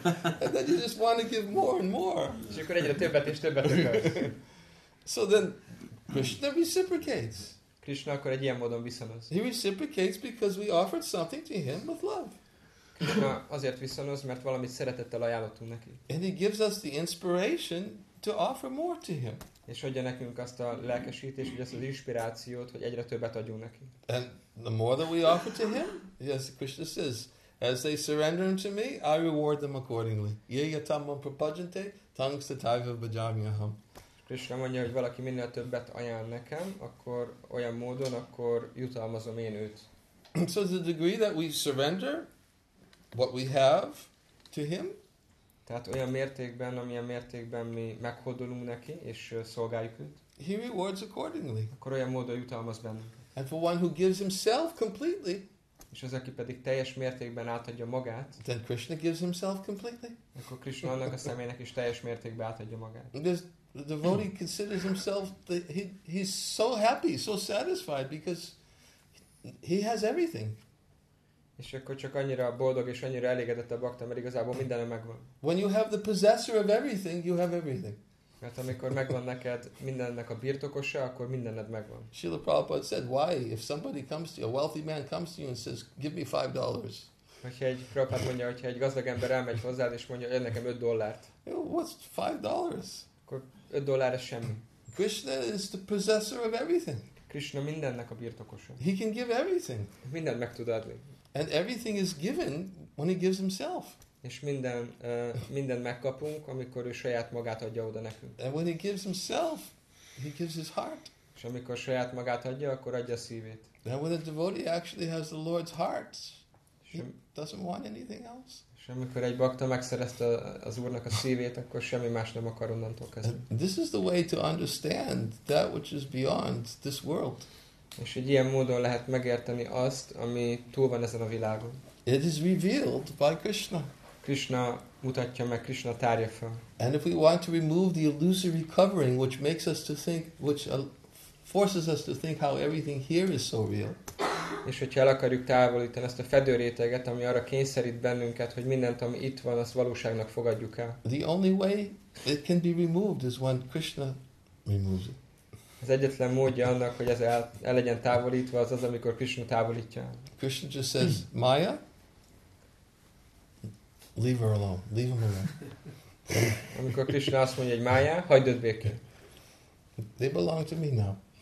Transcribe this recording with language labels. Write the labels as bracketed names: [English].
[English] And then you just want to give more and more. [Hungarian] És akkor egyre többet és többet akarsz. [English] So then Krishna reciprocates. [Hungarian] Krishna akkor egy ilyen módon visszanoz. [English] He reciprocates because we offered something to him with love. [Hungarian] Krishna azért visszanoz, mert valamit szeretettel ajánlottunk neki. [English] And he gives us the inspiration to offer more to him. [Hungarian] És adja nekünk azt a lelkesítést, vagy azt az inspirációt, hogy egyre többet adjunk neki. [English] And the more that we offer to him, yes, Krishna says, as they surrender to me, I reward them accordingly. [Sanskrit] Yeyatam prapajante tangstataiva bhajamyaham. [Hungarian] Krisna mondja, hogy valaki minél többet ajánl nekem, akkor olyan módon, akkor jutalmazom én őt. [English] So the degree that we surrender what we have to him. [Hungarian] Tehát olyan mértékben, amilyen mértékben mi meghódolunk neki, és szolgáljuk őt. [English] He rewards accordingly. [Hungarian] Akkor olyan módon jutalmaz bennünk. [English] And for one who gives himself completely, [Hungarian] és az, aki pedig teljes mértékben átadja magát, [English] then Krishna gives himself completely. [Hungarian] Akkor Krishna annak a személynek is teljes mértékben átadja magát. [English] The devotee considers himself, he's so happy, so satisfied, because he has everything. [Hungarian] És akkor csak annyira boldog és annyira elégedett a bhakta, mert igazából minden megvan. [English] When you have the possessor of everything, you have everything. [Hungarian] Mert amikor megvan neked mindennek a birtokosa, akkor mindened megvan. [English] Srila Prabhupada said, why? If somebody comes to you, a wealthy man comes to you and says, give me $5. [Hungarian] Hogyha egy Prabhupada mondja, hogyha egy gazdag ember elmegy hozzád, és mondja, jön nekem $5. [English] What's $5? [Hungarian] Akkor $5 ez semmi. [English] Krishna is the possessor of everything. [Hungarian] Krishna mindennek a birtokosa. [English] He can give everything. [Hungarian] Mindent meg tud adni. [English] And everything is given when he gives himself. [Hungarian] És minden megkapunk, amikor ő saját magát adja oda nekünk. [English] And when he gives himself, he gives his heart. [Hungarian] És amikor saját magát adja, akkor adja a szívét. [English] And when a devotee actually has the Lord's heart, he doesn't want anything else. [Hungarian] És amikor egy bhakta megszerezte az Úrnak a szívét, akkor semmi más nem akar onnantól kezdeni. [English] And this is the way to understand that which is beyond this world. [Hungarian] És egy ilyen módon lehet megérteni azt, ami túl van ezen a világon. [English] It is revealed by Krishna. [Hungarian] Krishna mutatja meg, Krishna tárja fel. [English] And if we want to remove the illusory covering, which makes us to think, which forces us to think how everything here is so real. [Hungarian] És hogyha el akarjuk távolítani ezt a fedőréteget, ami arra kényszerít bennünket, hogy mindent, ami itt van, azt valóságnak fogadjuk el. [English] The only way it can be removed is when Krishna removes it. [Hungarian] Az egyetlen módja annak, hogy ez el legyen távolítva, az amikor Krishna távolítja. [English] Krishna just says, Maya, leave her alone, leave him alone. [Hungarian] Amikor Krishna azt mondja, hogy Maya, hagyd őt békén. [English] They belong to me now.